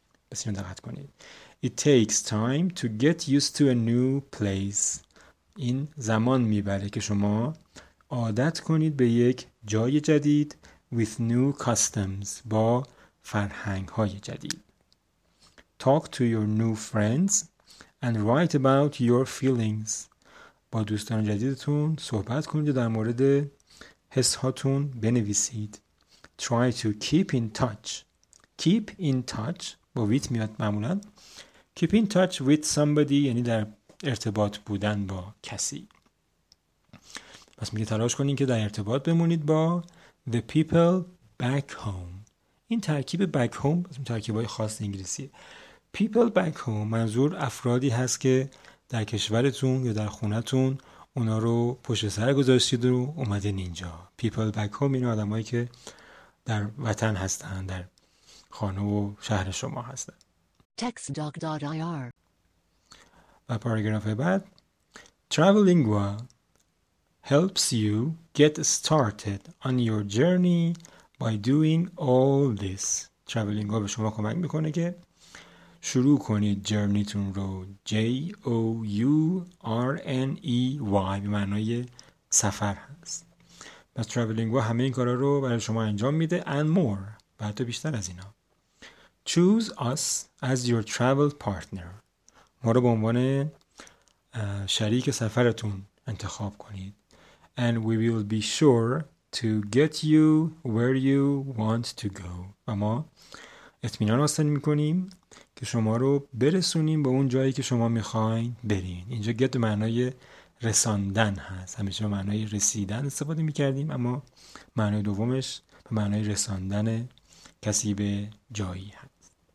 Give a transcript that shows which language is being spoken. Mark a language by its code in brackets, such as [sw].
[fa] بسیار دقت کنید. [en] It takes time to get used to a new place. [fa] این زمان میبره که شما عادت کنید به یک جای جدید [en] with new customs [fa] با فرهنگ های جدید. [en] Talk to your new friends and write about your feelings. [fa] با دوستان جدیدتون صحبت کنید در مورد حس هاتون بنویسید. [en] Try to keep in touch. Keep in touch [fa] با with میاد معمولا. [en] Keep in touch with somebody [fa] یعنی در ارتباط بودن با کسی. پس میگه تلاش کنین که در ارتباط بمونید با [en] the people back home. [fa] این ترکیب back home بسیم ترکیب های خاص انگلیسی. [en] People back home [fa] منظور افرادی هست که در کشورتون یا در خونتون اونا رو پشت سر گذاشتید و اومدین اینجا. [en] People back home [fa] این آدم هایی که در وطن هستن، در خانه و شهر شما هستن. textdoc.ir و پاراگراف بعد [en] Travelingua helps you get started on your journey by doing all this. [fa] Travelingua به شما کمک میکنه که شروع کنید جرنیتون رو. J-O-U-R-N-E-Y به معنای سفر هست. پس Travelingua همه این کارا رو برای شما انجام میده [en] and more [fa] و حتی بیشتر از اینا. [en] Choose us as your travel partner. [fa] ما رو به عنوان شریک سفرتون انتخاب کنید. [en] And we will be sure to get you where you want to go. [fa] و ما اطمینان حاصل میکنیم که شما رو برسونیم به اون جایی که شما میخواین برین. اینجا get معنای رساندن هست. همیشه معنای رسیدن استفاده میکردیم اما معنای دومش به معنای رساندن کسی به جایی هست.